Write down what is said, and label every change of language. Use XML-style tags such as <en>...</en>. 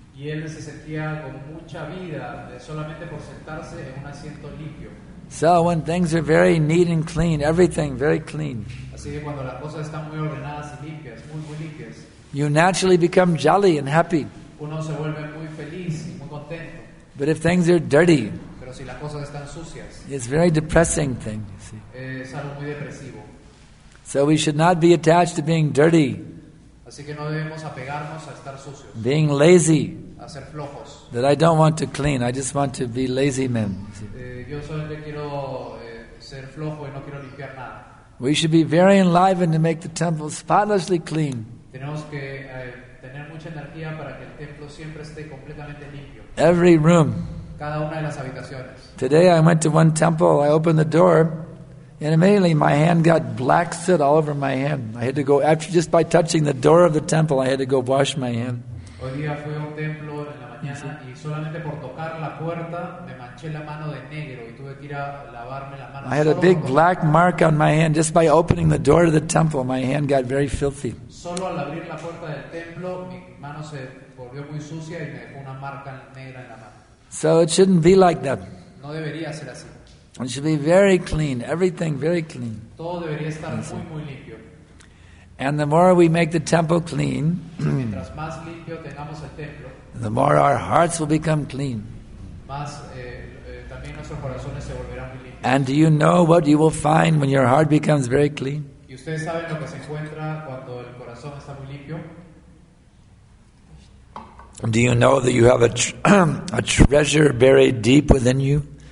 <es>Y él se sentía con mucha vida solamente por sentarse en un asiento limpio.</es> <en>So when things are very neat and clean, everything very clean.</en> <es>Así que cuando las cosas están muy ordenadas y limpias, muy muy limpias.</es> <en>You naturally become jolly and happy.</en> <es>Uno se vuelve muy feliz y muy contento.</es> <en>But if things are dirty.</en> <es>Pero si las cosas están sucias.</es> <en>It's a very depressing thing, you see.</en> <es>Es algo muy depresivo.</es> <en>So we should not be attached to being dirty.</en> <es>Así que no debemos apegarnos a estar sucios.</es> <en>Being lazy.</en> <es>A ser flojos.</es> <en>That I don't want to clean. I just want to be lazy men.</en> <es>Yo solamente quiero ser flojo y no quiero limpiar nada.</es> <en>We should be very enlivened to make the temple spotlessly clean.</en> <es>Tenemos que tener mucha energía para que el templo siempre esté completamente limpio.</es> <en>Every room.</en> <es>Cada una de las habitaciones.</es> <en>Today I went to one temple. I opened the door. And immediately my hand got black soot all over my hand. I had to go, after just by touching the door of the temple, I had to go wash my hand.</en> <es>Hoy día fui a un templo en la mañana, sí. Y solamente por tocar la puerta me manché la mano de negro y tuve que ir a lavarme la mano.</es> <en>I had a big black mark on my hand just by opening the door to the temple. My hand got very filthy.</en> <es>Solo al abrir la puerta del templo mi mano se volvió muy sucia y me dejó una marca negra en la mano.</es> <en>So it shouldn't be like that.</en> <es>No debería ser así.</es> <en>It should be very clean, everything very clean.</en> <es>Todo debería estar muy, muy limpio.</es> <en>And the more we make the temple clean,</en> <es>mientras más limpio tengamos el templo,</es> <en>the more our hearts will become clean.</en> <es>Más, también nuestros corazones se volverán muy limpios.</es> <en>And do you know what you will find when your heart becomes very clean?</en> <es>¿Y ustedes saben lo que se encuentra cuando el corazón está muy limpio?</es> <en>Do you know that you have a treasure buried deep within you?</en>